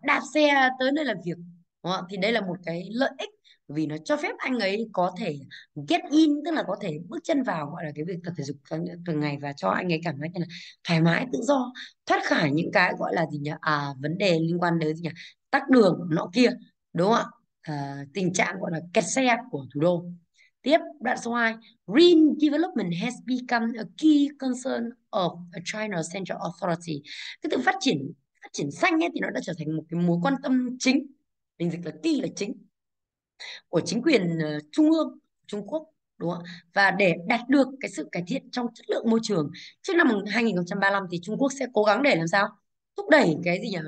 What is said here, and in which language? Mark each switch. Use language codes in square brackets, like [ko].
[vi] Đạp xe tới nơi làm việc, đúng không ạ? Thì đây là một cái lợi ích vì nó cho phép anh ấy có thể [en] get in, [vi] tức là có thể bước chân vào gọi là cái việc tập thể dục thường ngày và cho anh ấy cảm giác như là thoải mái, tự do, thoát khỏi những cái gọi là gì nhỉ? À, vấn đề liên quan đến gì nhỉ? Tắc đường nọ kia, đúng không ạ? À, tình trạng gọi là kẹt xe của thủ đô. Tiếp, đoạn số 2. [en] Green development has become a key concern of China Central Authority. [vi] Cái từ phát triển xanh ấy thì nó đã trở thành một cái mối quan tâm chính, mình dịch là key, là chính, của chính quyền trung ương Trung Quốc, đúng không? Và để đạt được cái sự cải thiện trong chất lượng môi trường trước năm 2035 thì Trung Quốc sẽ cố gắng để làm sao thúc đẩy cái gì nhỉ?